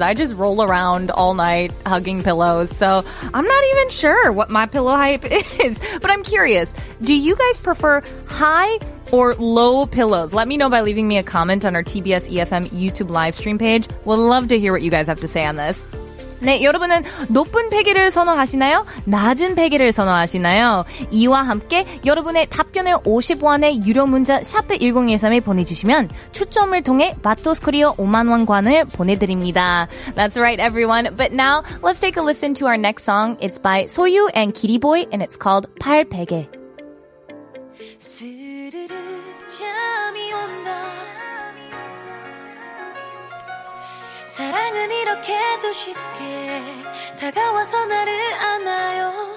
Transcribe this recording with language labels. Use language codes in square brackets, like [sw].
[en] I just roll around all night hugging pillows. So I'm not even sure what my pillow height is. But I'm curious, do you guys prefer high or low pillows? Let me know by leaving me a comment on our TBS EFM YouTube live stream page. We'll love to hear what you guys have to say on this. [ko] 네, 여러분은 높은 베개를 선호하시나요? 낮은 베개를 선호하시나요? 이와 함께 여러분의 답변을 50원의 유료 문자 샵1013에 보내주시면 추첨을 통해 마토스 코리아 5만 원권을 보내드립니다. [en] That's right, everyone. But now, let's take a listen to our next song. It's by Soyu and Kiriboy, and it's called 팔베개. [ko] 스르르 잠이 온다 사랑은 이렇게도 쉽게 다가와서 나를 안아요.